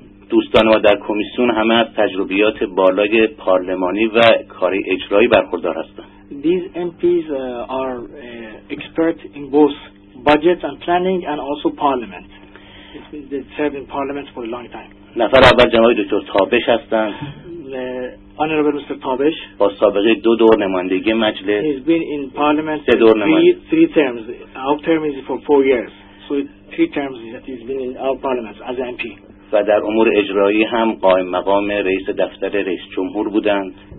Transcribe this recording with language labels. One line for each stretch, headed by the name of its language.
Persian: دوستان ما در کمیسیون همه از تجربیات بالای پارلمانی و کاری اجرایی برخوردار هستند.
English: These MPs are expert in both budget and planning and also parliament. They served in parliament for a long time.
Persian: نفر اول جناب دکتر تابش هستند.
English: Honorable Mr. Tabish.
Persian: با سابقه 2 دور نمایندگی مجلس.
English: He's been in parliament
Persian: 3 دور نمایندگی.
English: 3 terms. Our term is for 4 years. So 3 terms that he's been in our parliament as an MP.
Persian: و در امور اجرایی هم قائم مقام رئیس دفتر رئیس جمهور بودند.